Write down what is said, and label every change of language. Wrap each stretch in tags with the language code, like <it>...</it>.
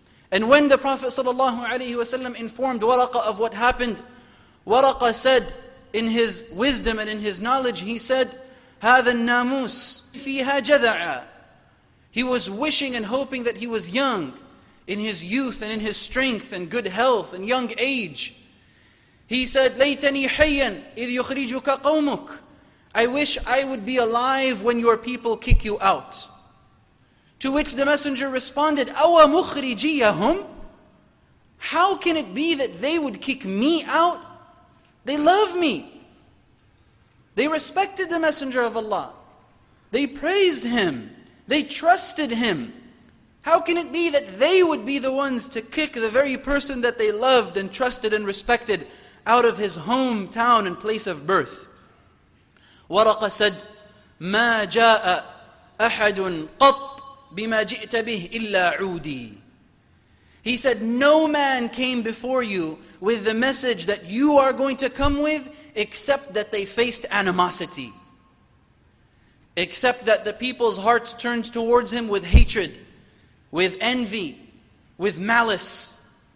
<en>And when the Prophet sallallahu alaihi wasallam informed Waraqah of what happened, Waraqah said, in his wisdom and in his knowledge, he said,</en> <ar>هذا الناموس فيها جذعا.</ar> <en>He was wishing and hoping that he was young, in his youth and in his strength and good health and young age. He said,</en> <ar>ليتني حيا إذ يخرجك قومك.</ar> <en>I wish I would be alive when your people kick you out. To which the messenger responded,</en> <ar>أو مخرجيهم.</ar> <en>How can it be that they would kick me out? They love me. They respected the Messenger of Allah. They praised him. They trusted him. How can it be that they would be the ones to kick the very person that they loved and trusted and respected out of his hometown and place of birth? Waraqah said,</en> <ar>مَا جَاءَ أَحَدٌ قَطْ بِمَا جِئْتَ بِهِ إِلَّا عُودِي.</ar> <en>He said, no man came before you with the message that you are going to come with, except that they faced animosity. Except that the people's hearts turned towards him with hatred, with envy, with malice.</en>